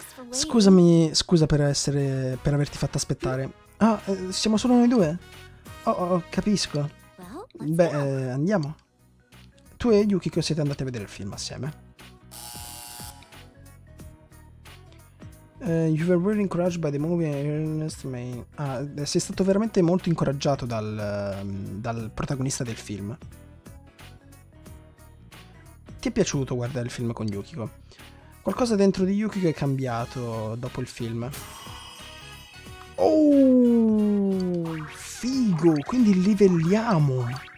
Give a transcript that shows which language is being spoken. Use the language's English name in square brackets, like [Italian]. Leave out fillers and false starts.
[Italian] Scusami, scusa per averti fatto aspettare. Ah, siamo solo noi due? Oh, capisco. Beh, andiamo. Tu e Yukiko siete andati a vedere il film assieme. [English] You were really encouraged by the movie Ernest May. [Italian] Sei stato veramente molto incoraggiato dal protagonista del film. Ti è piaciuto guardare il film con Yukiko? Qualcosa dentro di Yukiko è cambiato dopo il film. Oh, figo! Quindi livelliamo!